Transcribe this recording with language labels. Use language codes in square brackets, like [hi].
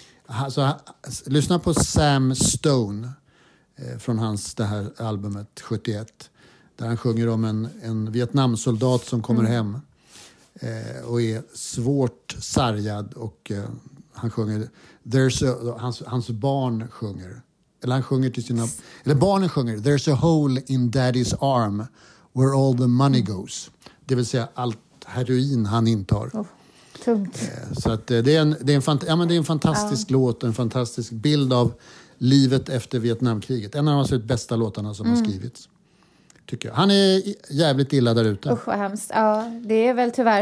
[sv] Alltså, lyssna på Sam Stone från hans det här albumet 71, där han sjunger om en Vietnamsoldat som kommer hem och är svårt sargad, och han sjunger hans barn sjunger. Eller han sjunger till sina... Eller barnen sjunger. [en] There's a hole in daddy's arm where all the money goes. [sv] Det vill säga allt heroin han intar. Tungt. Så att det är en fantastisk låt och en fantastisk bild av livet efter Vietnamkriget. En av de absolut bästa låtarna som har skrivits. Tycker jag. Han är jävligt illa där ute. Usch, vad hemskt. Ja, det är väl tyvärr